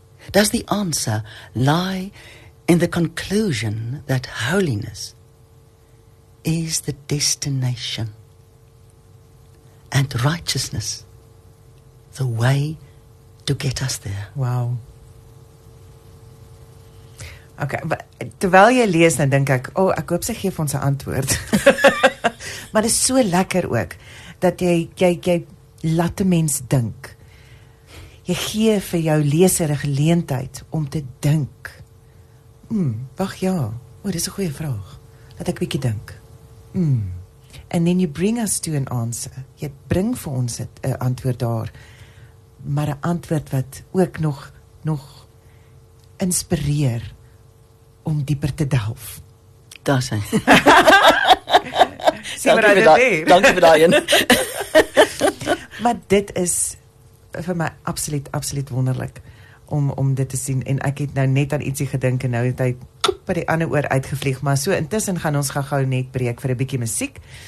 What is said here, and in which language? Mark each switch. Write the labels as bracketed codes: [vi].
[en] Does the answer lie in the conclusion that holiness is the destination and righteousness the way to get us there? Wow. [af] Okay, terwyl jy lees, dan dink ek, ek hoop sy gee ons 'n antwoord. Maar dit is so lekker ook, dat jy laat die mens dink. Jy gee vir jou leser 'n geleentheid om te dink. Dit is 'n goeie vraag. Laat ek bietjie dink. [en] And then you bring us to an answer. [af] Jy bring vir ons 'n antwoord daar. Maar 'n antwoord wat ook nog inspireer om dieper te delf. Daar sy. Sien wat dit daar. Dankie vir daai een. Maar dit is vir my absoluut, absoluut wonderlik om dit te sien. En ek het nou net aan ietsie gedink en nou het hy by die ander oor uitgevlieg. Maar so intussen gaan ons gou net breek vir 'n bietjie musiek.